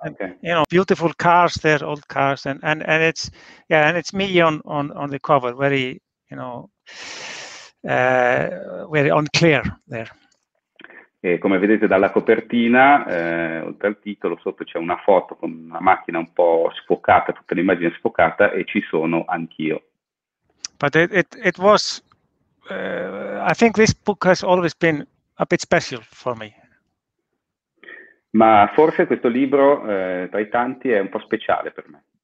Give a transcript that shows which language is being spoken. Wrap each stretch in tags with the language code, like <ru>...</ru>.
<en>And, okay. You know, beautiful cars there, old cars, and it's, yeah, and it's me on the cover, very, you know, very unclear there.</en> <it>E come vedete dalla copertina, oltre al titolo, sotto c'è una foto con una macchina un po' sfocata, tutta l'immagine sfocata, e ci sono anch'io.</it> <en>But it was. I think this book has always been a bit special for me.</en> <it>Ma forse questo libro tra i tanti è un po' speciale per me.</it>